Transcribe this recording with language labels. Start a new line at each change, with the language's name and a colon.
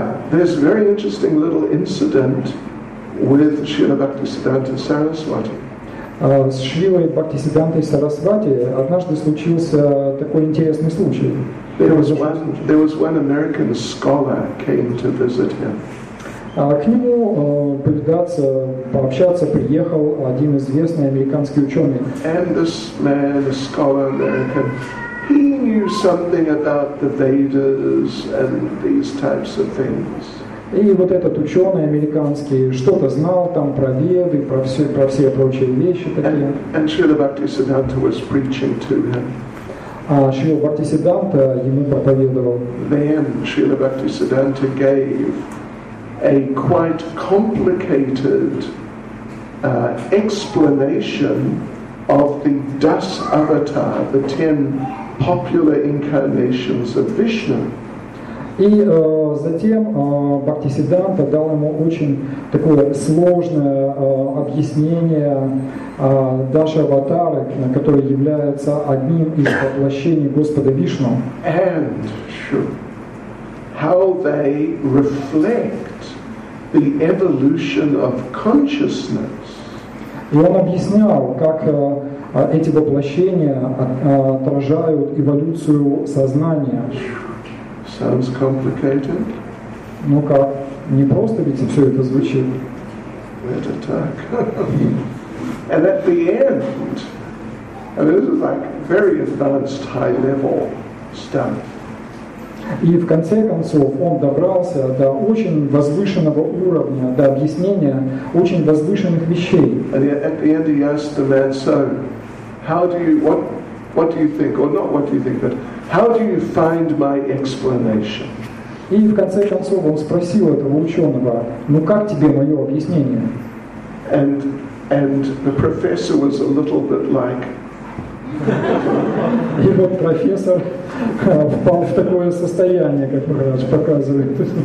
English: There's a very interesting little incident with Srila Bhaktisiddhanta Saraswati.
Russian: С Шрилой Бхактисиддхантой Сарасвати однажды случился такой интересный случай.
English: There was one American scholar came to visit him.
Russian: К нему повидаться, пообщаться приехал один известный американский ученый.
English: And this man, a scholar American, he knew something about the Vedas and these types of things.
Russian: И вот этот ученый американский что-то знал там про Веды, про все прочие вещи такие.
English: And Srila Bhaktisiddhanta was preaching to him.
Russian: А Шрила Бхактисиддханта ему проповедовал.
English: Then Srila Bhaktisiddhanta gave a quite complicated explanation of the Das Avatar, the 10 popular incarnations of Vishnu.
Russian: И затем Бхактисиддханта дал ему очень такое сложное объяснение Даши Аватары, который является одним из воплощений Господа Вишну.
English: And how they reflect the evolution of consciousness.
Russian: И он объяснял, как эти воплощения отражают эволюцию сознания.
English: Sounds complicated.
Russian: Ну как, не просто ведь все это звучит. Это так.
English: And at the end, and this is like very advanced, high-level stuff.
Russian: И в конце концов он добрался до очень возвышенного уровня, до объяснения очень возвышенных вещей.
English: And at the end, he asked the man, "So, how do you what do you think, or not what do you think, but?" How do you find my explanation?
Russian: И в конце концов он спросил этого ученого: "Ну как тебе мое объяснение?"
English: And the professor was a little bit like.
Russian: И вот профессор впал в такое состояние, как раз показывает.